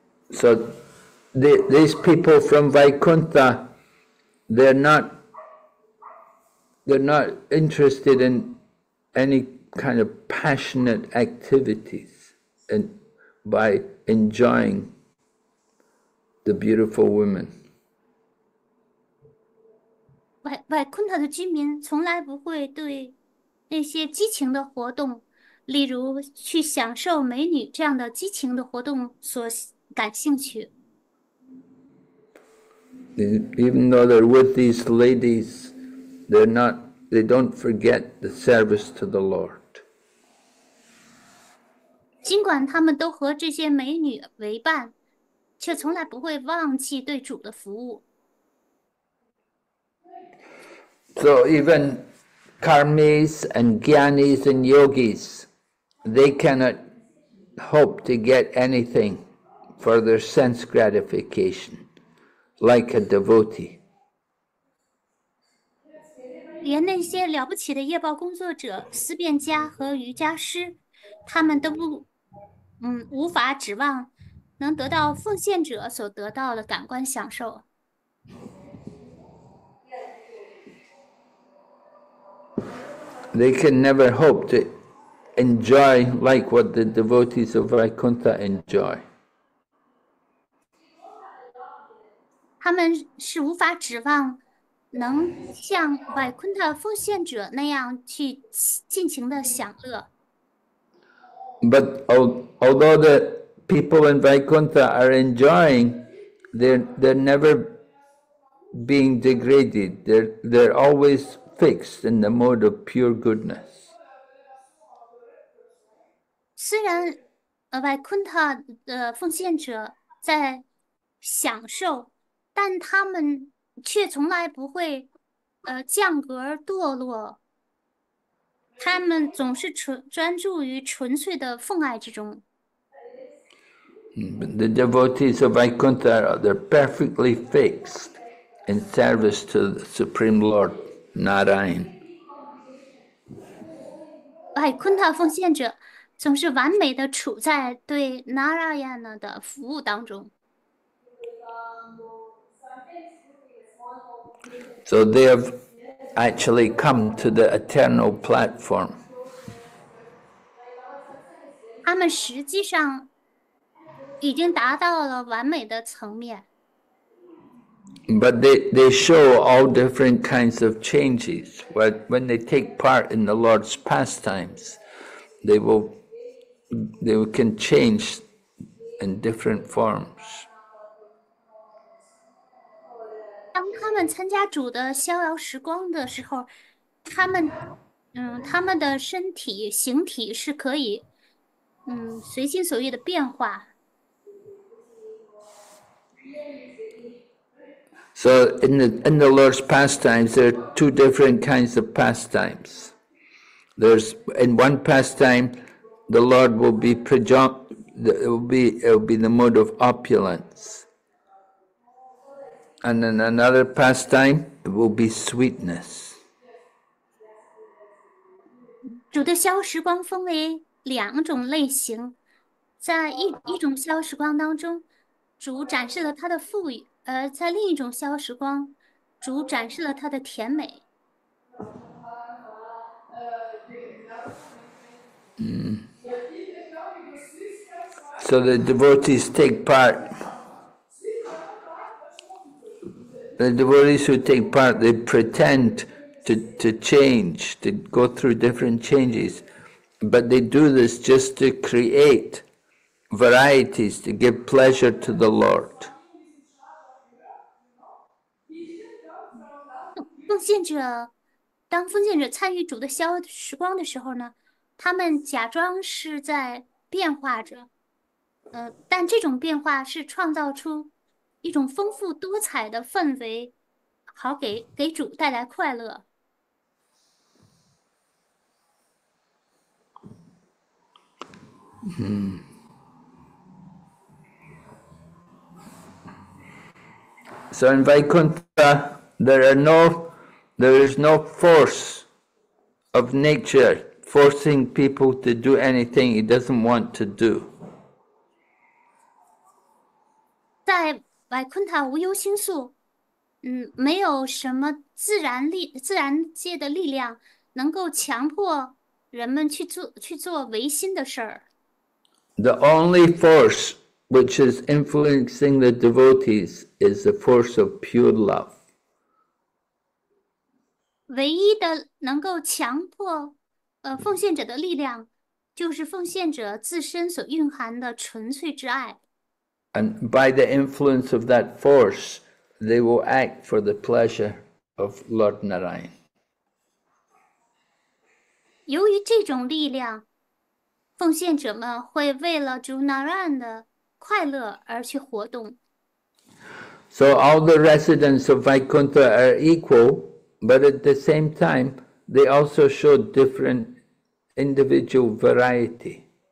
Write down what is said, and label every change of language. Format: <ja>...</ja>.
<en>So these people from Vaikuntha, they're not interested in any kind of passionate activities. And by enjoying the beautiful women.</en> <zh>Vaikuntha的居民从来不会对那些激情的活动，例如去享受美女这样的激情的活动所感兴趣。</zh> <en>Even though they're with these ladies, they're not, they don't forget the service to the Lord.</en> <zh>尽管他们都和这些美女为伴，却从来不会忘记对主的服务。</zh> <en>So even karmis and gyanis and yogis, they cannot hope to get anything for their sense gratification, like a devotee.</en> <zh>连那些了不起的业报工作者、思辨家和瑜伽师，他们都不，无法指望能得到奉献者所得到的感官享受。</zh> <en>They can never hope to enjoy like what the devotees of Vaikuntha enjoy.</en> <zh>他们是无法指望能像 Vaikuntha 奉献者那样去尽情的享乐。</zh> <en>But although the people in Vaikuntha are enjoying, they're never being degraded. They're always fixed in the mode of pure goodness.</en> <zh>虽然Vaikuntha的奉献者在享受，但他们却从来不会降格堕落。他们总是专注于纯粹的奉爱之中。</zh> <en>The devotees of Vaikuntha are perfectly fixed in service to the Supreme Lord Narayan.</en> <zh>Vaikuntha 奉献者总是完美的处在对 Narayan 的服务当中。</zh> <en>So they have actually come to the eternal platform.</en> <zh>他们实际上已经达到了完美的层面。</zh> <en>But they show all different kinds of changes. When they take part in the Lord's pastimes, they can change in different forms.</en> <zh>当他们参加主的逍遥时光的时候，他们的身体形体是可以随心所欲的变化。</zh> <en>So in the Lord's pastimes, there are two different kinds of pastimes. There's in one pastime, the Lord will be it will be the mode of opulence. And in another pastime, it will be sweetness.</en> <zh>主的逍遥时光分为两种类型，在一种逍遥时光当中，主展示了他的富裕。在另一种逍遥时光，主展示了他的甜美。</zh> <en>So the devotees take part. The devotees who take part, they pretend to change, to go through different changes, but they do this just to create varieties to give pleasure to the Lord.</en> <zh>奉献者，当奉献者参与主的逍遥时光的时候呢，他们假装是在变化着，但这种变化是创造出一种丰富多彩的氛围，好给主带来快乐。</zh> <en>So in Vaikuntha, there is no force of nature forcing people to do anything he doesn't want to do.</en> <zh>在百昆塔无忧星宿，没有什么自然界的力量能够强迫人们去做违心的事儿。</zh> <en>The only force which is influencing the devotees is the force of pure love.</en> <zh>唯一的能够强迫奉献者的力量，就是奉献者自身所蕴含的纯粹之爱。</zh> <en>And by the influence of that force, they will act for the pleasure of Lord Narayan.</en> <zh>由于这种力量，奉献者们会为了主 Narayan 的快乐而去活动。</zh> <en>So all the residents of Vaikuntha are equal, but at the same time, they also show different individual variety.</en>